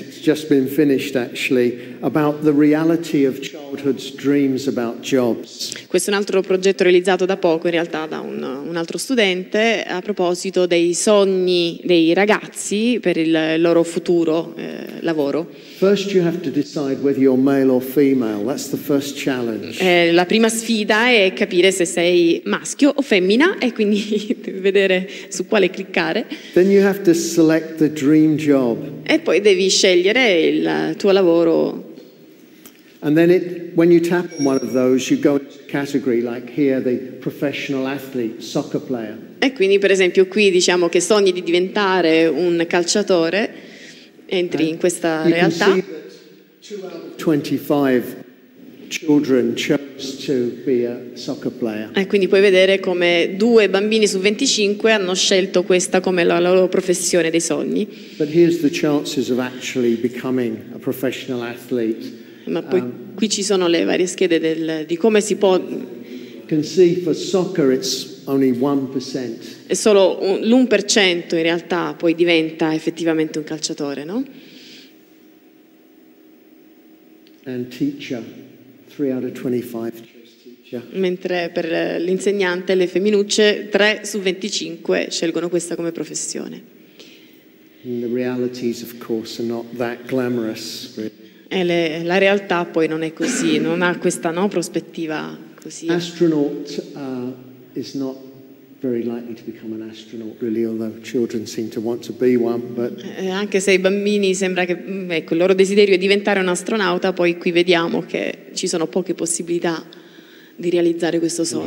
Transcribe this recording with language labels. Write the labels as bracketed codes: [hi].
[en] It's just been finished, actually, about the reality of childhood's dreams about jobs. [it] Questo è un altro progetto realizzato da poco, in realtà, da un altro studente a proposito dei sogni dei ragazzi per il loro futuro lavoro. [en] First, you have to decide whether you're male or female. That's the first challenge. [it] La prima sfida è capire se sei maschio o femmina e quindi vedere su quale cliccare. [en] Then you have to select the dream job. [it] E poi devi scegliere il tuo lavoro. [en] And then when you tap on one of those, you go into a category like here, the professional athlete, soccer player. [it] E quindi, per esempio, qui diciamo che sogni di diventare un calciatore. Entri in questa realtà. [en] You can see that 25 children chose to be a soccer player. [it] E quindi puoi vedere come due bambini su 25 hanno scelto questa come la loro professione dei sogni. [en] But here's the chances of actually becoming a professional athlete. [it] Ma poi qui ci sono le varie schede di come si può. [en] Can see for soccer it's only 1%. [it] È solo l'1% in realtà poi diventa effettivamente un calciatore, no? [en] And teacher, 3 out of 25 chose teacher. [it] Mentre per l'insegnante le femminucce 3 su 25 scelgono questa come professione. [en] And the realities of course are not that glamorous, really. [it] E la realtà poi non è così, non ha questa, no, prospettiva così. [en] Astronaut is not very likely to become an astronaut, really, although children seem to want to be one. But [it] anche se i bambini sembra che, ecco, il loro desiderio è diventare un astronauta, poi qui vediamo che ci sono poche possibilità di realizzare questo sogno.